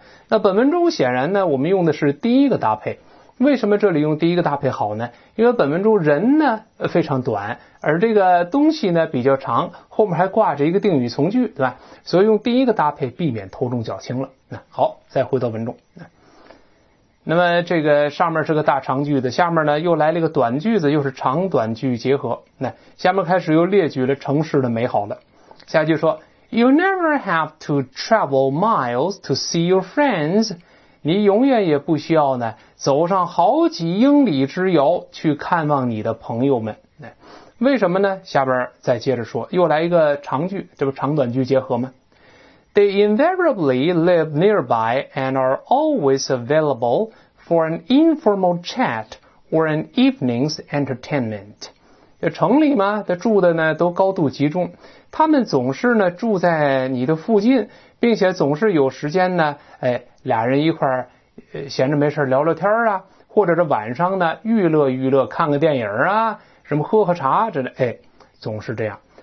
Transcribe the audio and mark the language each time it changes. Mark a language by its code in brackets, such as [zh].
[zh] 那本文中显然呢我们用的是第一个搭配，为什么这里用第一个搭配好呢，因为本文中人呢非常短，而这个东西呢比较长，后面还挂着一个定语从句，对吧，所以用第一个搭配避免头重脚轻了。好，再回到文中，那么这个上面是个大长句子，下面呢又来了一个短句子，又是长短句结合。那下面开始又列举了城市的美好了。下句说 [en] You never have to travel miles to see your friends. [zh] 你永远也不需要呢走上好几英里之遥去看望你的朋友们。为什么呢？下边再接着说，又来一个长句，这不长短句结合吗？ [en] They invariably live nearby and are always available for an informal chat or an evening's entertainment. [zh] 这城里嘛，他住的呢都高度集中，他们总是呢住在你的附近，并且总是有时间呢，哎，俩人一块儿，闲着没事聊聊天啊，或者是晚上呢娱乐娱乐，看个电影啊，什么喝喝茶，这哎，总是这样。